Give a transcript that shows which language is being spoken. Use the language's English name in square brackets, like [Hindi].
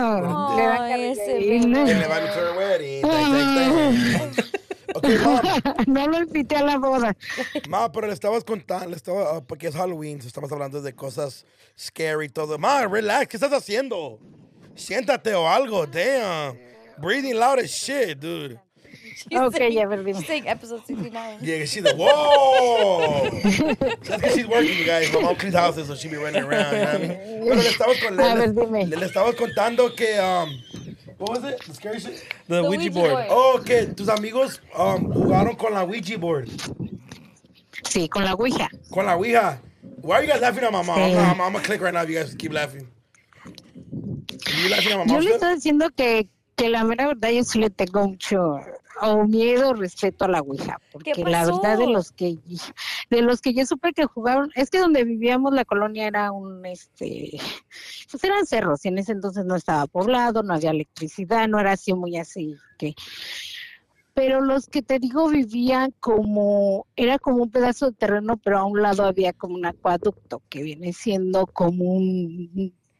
[Spanish] Oh, le va a meter el wedding. No lo invité a la boda. Ma, pero le estabas contando, le estaba, porque es Halloween, so estamos hablando de cosas scary y todo. Ma, relax, ¿qué estás haciendo? Siéntate o algo, [English] damn. Breathing loud as shit, dude. She's okay, yeah, but she's saying episode 69. Yeah, she's like, whoa! That's because she's working, you guys. My mom cleans houses, so she'd be running around. [Spanish] Pero le estabas contando que, [English] what was it? The scary shit? The Ouija board. Oh, okay. [Spanish] Tus amigos jugaron con la Ouija board. Sí, con la Ouija. Con la Ouija. [English] Why are you guys laughing at my mom? Sí. I'm going to click right now if you guys keep laughing. Are you laughing at my mom? [Spanish] Yo le estoy diciendo que la mera verdad yo sí le tengo mucho... O miedo, respeto a la Ouija, porque la verdad de los que yo supe que jugaron, es que donde vivíamos la colonia era un, pues eran cerros, y en ese entonces no estaba poblado, no había electricidad, no era así muy así, que pero los que te digo vivían como, era como un pedazo de terreno, pero a un lado había como un acueducto, que viene siendo como un...